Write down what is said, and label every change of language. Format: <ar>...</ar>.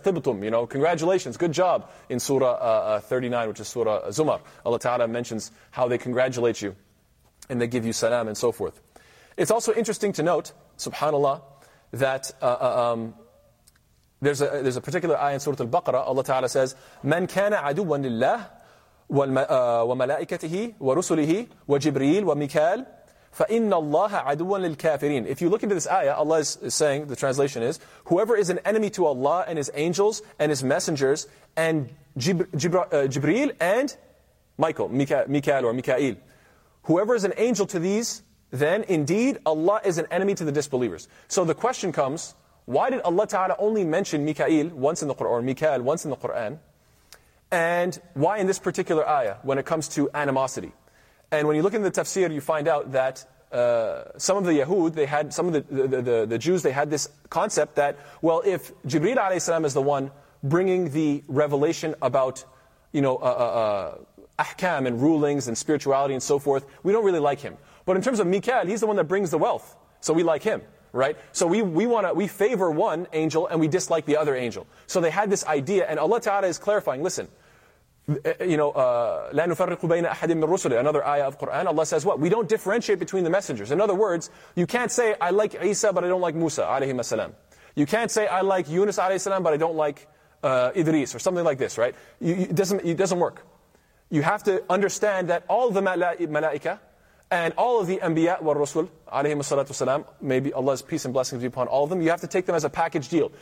<en>Tibtum, you know, congratulations, good job. In Surah 39, which is Surah Zumar, Allah Ta'ala mentions how they congratulate you and they give you salam and so forth. It's also interesting to note, subhanAllah, that there's a particular ayah in Surah Al-Baqarah. Allah Ta'ala says,</en> <ar>Man kana aduwan lillah وملائكته ورسله وجبريل وميكال فإن الله عدو للكافرين.</ar> <en>If you look into this ayah, Allah is saying, the translation is, whoever is an enemy to Allah and His angels and His messengers and Jibreel and Michael, Mikael or Mikael, whoever is an angel to these, then indeed Allah is an enemy to the disbelievers. So the question comes, why did Allah Ta'ala only mention Mikael once in the Quran, or Mikael once in the Quran? And why in this particular ayah when it comes to animosity? And when you look in the tafsir, you find out that some of the Yahud, they had some of the Jews, they had this concept that, well, if Jibreel alayhi salam is the one bringing the revelation about, you know, ahkam and rulings and spirituality and so forth, we don't really like him. But in terms of Mikael, he's the one that brings the wealth, so we like him. Right, so we favor one angel and we dislike the other angel. So they had this idea, and Allah Ta'ala is clarifying. Listen, you know,</en> <ar>لا نفرق بين أحد من الرسل.</ar> <en>Another ayah of Quran, Allah says, what? We don't differentiate between the messengers. In other words, you can't say I like Isa but I don't like Musa alayhi salam. You can't say I like Yunus alayhi salam but I don't like Idris or something like this. Right? It doesn't work. You have to understand that all the malaika and all of the Anbiya wa Rasul, alayhim as-salatu wasalam, maybe Allah's peace and blessings be upon all of them, you have to take them as a package deal.</en>